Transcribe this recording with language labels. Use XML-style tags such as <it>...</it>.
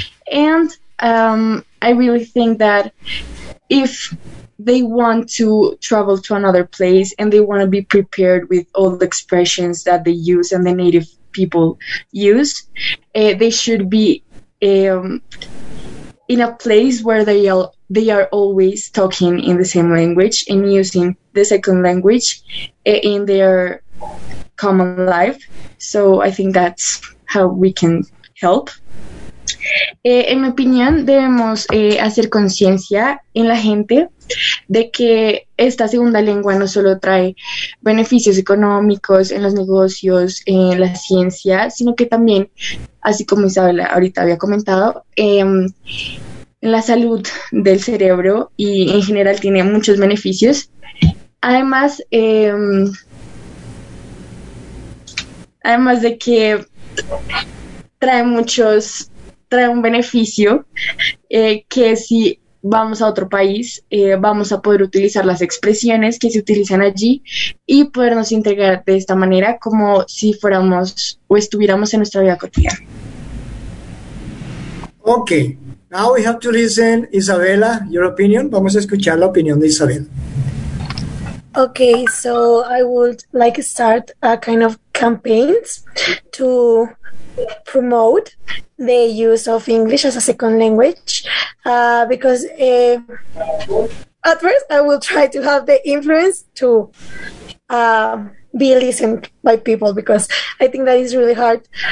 <en>And I really think that if they want to travel to another place and they want to be prepared with all the expressions that they use and the native people use, they should be in a place where they are always talking in the same language and using the second language in their common life. So I think that's how we can help.</en> <es>En mi opinión, debemos hacer conciencia en la gente de que esta segunda lengua no solo trae beneficios económicos en los negocios, en la ciencia, sino que también, así como Isabela ahorita había comentado, en la salud del cerebro y en general tiene muchos beneficios. Además, además de que trae un beneficio que si vamos a otro país vamos a poder utilizar las expresiones que se utilizan allí y podernos integrar de esta manera como si fuéramos o estuviéramos en nuestra vida cotidiana.</es> <en>Ok, now we have to listen Isabella, your opinion.</en> <es>Vamos a escuchar la opinión de Isabella.</es> <en>Okay, so I would like to start a kind of campaigns to promote the use of English as a second language, because at first I will try to have the influence to be listened by people, because I think that is really hard</en>